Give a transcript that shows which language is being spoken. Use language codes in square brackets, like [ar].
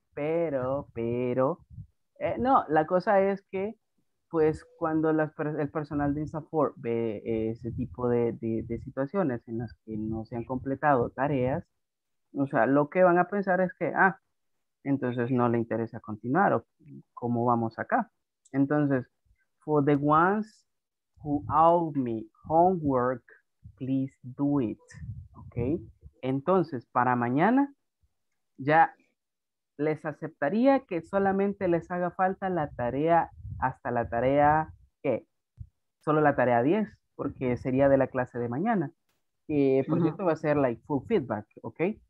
[es] Pero, la cosa es que, pues, cuando el personal de INSAFORP ve ese tipo de situaciones en las que no se han completado tareas, o sea, lo que van a pensar es que, entonces no le interesa continuar, o cómo vamos acá. Entonces, [en] for the ones who owe me homework, please do it. Okay. [es] Entonces, para mañana, ya les aceptaría que solamente les haga falta la tarea, hasta la tarea, ¿qué? Solo la tarea 10, porque sería de la clase de mañana. Por cierto, va a ser [en] like full feedback, [es] ¿ok?